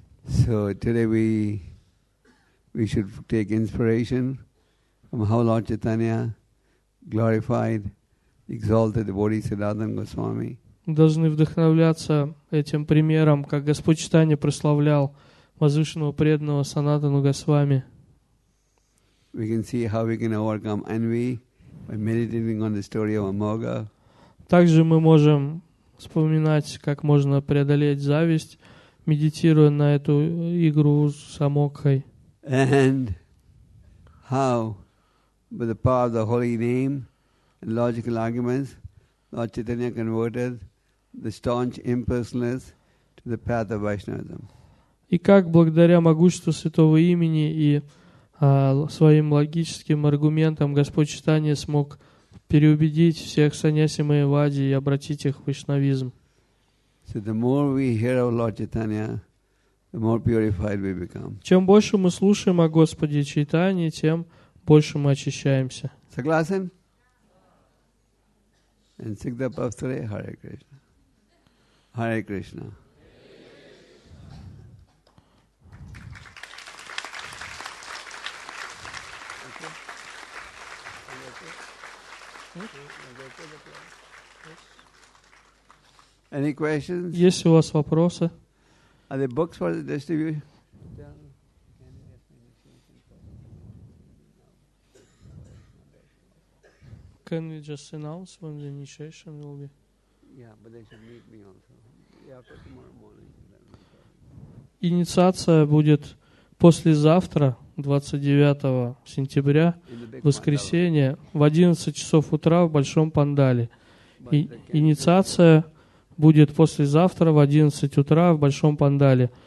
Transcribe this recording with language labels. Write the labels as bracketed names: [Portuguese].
[English] So today we should take inspiration from how Lord Chaitanya glorified, exalted the body Siddhartha Goswami. [Russian] Должны вдохновляться этим примером, как Господь Читания прославлял возвышенного преданного Санатану Госвами. [English] We can see how we can overcome envy by meditating on the story of Amogha. [Russian] Также мы можем вспоминать, как можно преодолеть зависть, медитируя на эту игру с Амокхой. [English] And how, by the power of the holy name and logical arguments, Lord Chaitanya converted the staunch impersonalness to the path of Vaishnavism. [Russian] И как благодаря могуществу святого имени и своим логическим аргументам Господь Читания смог переубедить всех саньяси майявади и обратить их в вайшнавизм. [English] So the more we hear of Lord Chaitanya, the more purified we become. [Russian] Чем больше мы слушаем о Господе Читании, тем больше мы очищаемся. Согласен? [English] And [Russian] всегда повторяй Харе Кришна. Харе Кришна. [English] Any questions? [Russian] Есть у вас вопросы? [English] Are the books for the distribution? Can we just announce when the initiation will be? Yeah, but they should meet me also. Yeah, for tomorrow morning. [Russian] Инициация будет послезавтра, 29 сентября, воскресенье, в 11 часов утра в Большом Пандале. Инициация будет послезавтра в 11 утра в Большом Пандале.